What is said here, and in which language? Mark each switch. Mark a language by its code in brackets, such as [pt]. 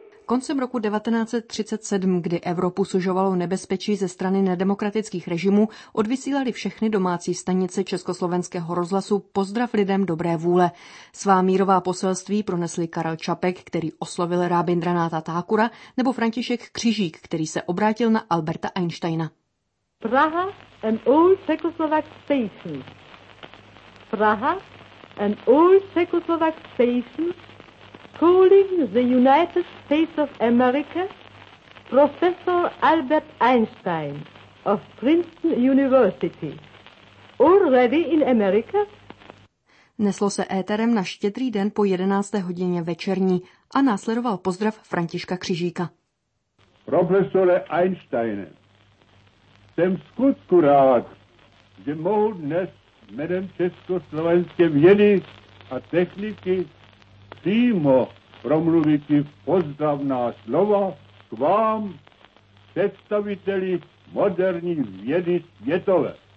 [cs] Koncem roku 1937, kdy Evropu sužovalo nebezpečí ze strany nedemokratických režimů, odvysílali všechny domácí stanice Československého rozhlasu Pozdrav lidem dobré vůle. Svá mírová poselství pronesli Karel Čapek, který oslovil Rabindranáta Tákura, nebo František Křižík, který se obrátil na Alberta Einsteina. [en] Praha, an old Czechoslovak station. Praha, an old Czechoslovak station, calling the United States of America, Professor Albert Einstein of Princeton University. Already in America? [cs] Neslo se éterem na štědrý den po 11. hodině večerní a následoval pozdrav Františka Křižíka. Profesore Einsteine, jsem skutku rád, že mohu dnes jménem československé vědy a techniky přímo promluvit i pozdravná slova k vám, představiteli moderní vědy světové.